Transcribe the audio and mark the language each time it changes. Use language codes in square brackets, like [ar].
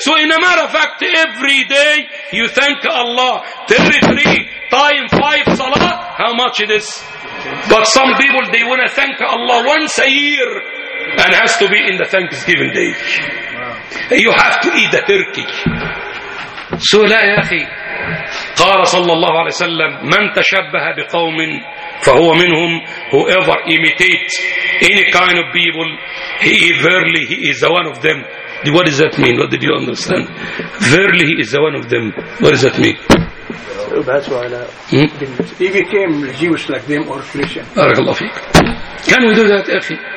[en] So in a matter of fact, every day you thank Allah 33 times 5 salah, how much it is? But some people, they want to thank Allah once a year, and has to be in the Thanksgiving day. You have to eat the turkey. [ar] So لا يا أخي قال صلى الله عليه وسلم من تشبه بقوم فهو منهم. [en] Whoever imitates any kind of people, he verily he is the one of them. What does that mean? What did you understand? Verily, he is the one of them. What does that mean? That's why he became Jewish like them or Christian. Can we do that, Afi?